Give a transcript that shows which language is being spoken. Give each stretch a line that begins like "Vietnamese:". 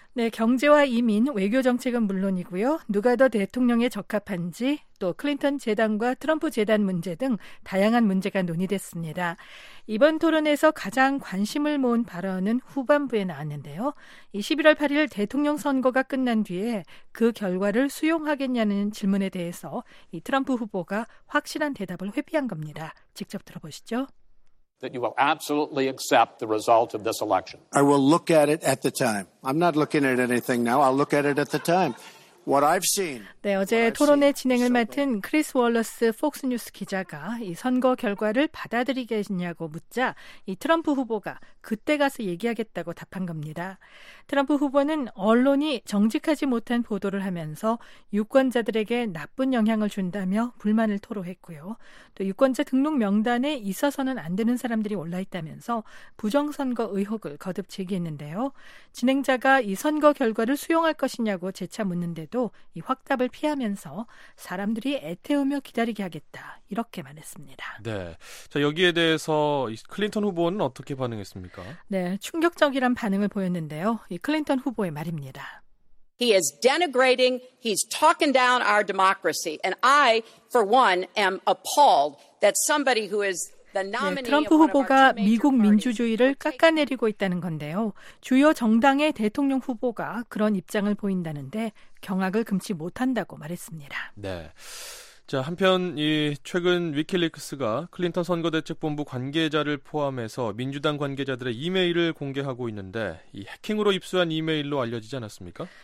Korean: 네, 경제와 이민, 외교 정책은 물론이고요. 누가 더 대통령에 적합한지, 또 클린턴 재단과 트럼프 재단 문제 등 다양한 문제가 논의됐습니다. 이번 토론회에서 가장 관심을 모은 발언은 후반부에 나왔는데요. 11월 8일 대통령 선거가 끝난 뒤에 그 결과를 수용하겠냐는 질문에 대해서 이 트럼프 후보가 확실한 대답을 회피한 겁니다. 직접 들어보시죠.
English: That you will absolutely accept the result of this election. I will look at it at the time. I'm not looking at anything now. I'll look at it at the time. What I've seen.
Korean: 네, 어제 토론의 진행을 맡은 크리스 월러스 폭스뉴스 기자가 이 선거 결과를 받아들이겠냐고 묻자 이 트럼프 후보가 그때 가서 얘기하겠다고 답한 겁니다. 트럼프 후보는 언론이 정직하지 못한 보도를 하면서 유권자들에게 나쁜 영향을 준다며 불만을 토로했고요. 또 유권자 등록 명단에 있어서는 안 되는 사람들이 올라있다면서 부정선거 의혹을 거듭 제기했는데요. 진행자가 이 선거 결과를 수용할 것이냐고 재차 묻는데도 이 확답을 피하면서 사람들이 애태우며 기다리게 하겠다 이렇게 말했습니다. 네, 자 여기에 대해서 클린턴 후보는 어떻게 반응했습니까? 네, 충격적이란 반응을 보였는데요. 이 클린턴 후보의 말입니다.
English: He is denigrating. He's talking down our democracy, and I, for one, am appalled that somebody who is
Korean: 네, 트럼프 후보가 미국 민주주의를 깎아내리고 있다는 건데요. 주요 정당의 대통령 후보가 그런 입장을 보인다는데 경악을 금치 못한다고 말했습니다. 네. 자, 한편 이 최근 위키리크스가 클린턴 선거대책본부 관계자를 포함해서 민주당 관계자들의 이메일을 공개하고 있는데 이 해킹으로 입수한 이메일로 알려지지 않았습니까?